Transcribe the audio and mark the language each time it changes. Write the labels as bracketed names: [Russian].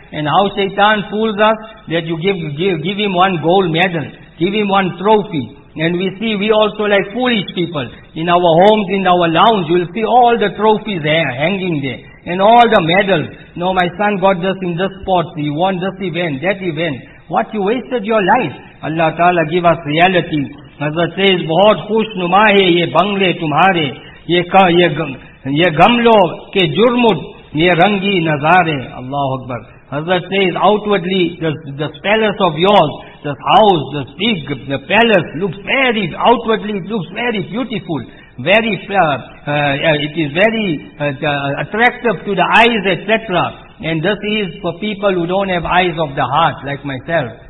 [English] And how Shaitan fools us, that you give him one gold medal. Give him one trophy. And we see, we also like foolish people. In our homes, in our lounge, you'll see all the trophies there, hanging there. And all the medals. No, my son got this in this sport, he won this event, that event. What you wasted your life. Allah Ta'ala give us reality. Hazrat says, [Urdu] بہت خوش نما ہے یہ بنگلے تمہارے یہ گملو کے جرم یہ رنگی نظارے. [Arabic] Allah Akbar. [English] Hazrat says, outwardly, this palace of yours, this house, this big, the palace looks very, outwardly it looks very beautiful. Very, it is very attractive to the eyes, etc. And this is for people who don't have eyes of the heart, like myself.